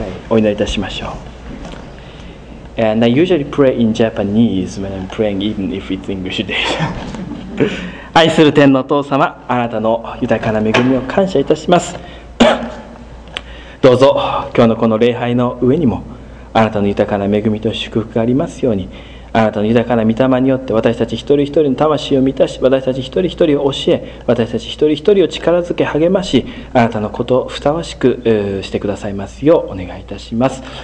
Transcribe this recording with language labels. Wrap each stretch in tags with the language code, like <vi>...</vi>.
<ja>お祈りいたしましょう.</ja> <en>And I usually pray in Japanese when I'm praying, even if it's English day.</en> <ja>愛する天のお父様、あなたの豊かな恵みを感謝いたします。どうぞ、今日のこの礼拝の上にも、あなたの豊かな恵みと祝福がありますように、あなたの豊かな御霊によって私たち一人一人の魂を満たし、私たち一人一人を教え、私たち一人一人を力づけ励まし、あなたのことをふさわしくしてくださいますようお願いいたします。</ja>